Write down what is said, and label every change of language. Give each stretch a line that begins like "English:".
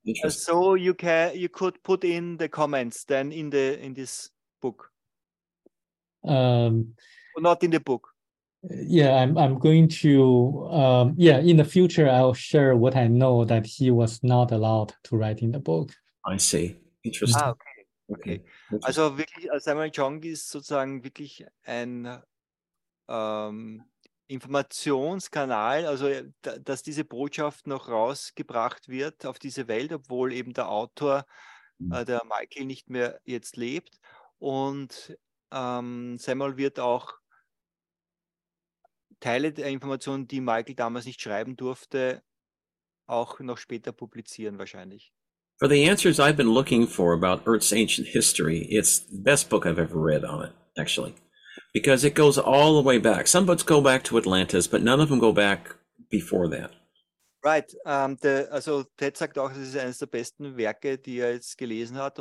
English: So you could put in the comments then in this book. Well, not in the book. Yeah, I'm going to in the future I'll share what I know that he was not allowed to write in the book. I see. Interesting. Ah, okay.
German: Also wirklich, Samuel Chong ist sozusagen wirklich ein Informationskanal, also dass diese Botschaft noch rausgebracht wird auf diese Welt, obwohl eben der Autor, der Michael, nicht mehr jetzt lebt. Und Samuel wird auch Teile der Informationen, die Michael damals nicht schreiben durfte, auch noch später publizieren wahrscheinlich.
English: For the answers I've been looking for about Earth's ancient history, it's the best book I've ever read on it, actually. Because it goes all the way back. Some books go back to Atlantis, but none of them go back before that. Right.
German: Ted sagt auch, das ist eines der besten Werke, die jetzt gelesen hat.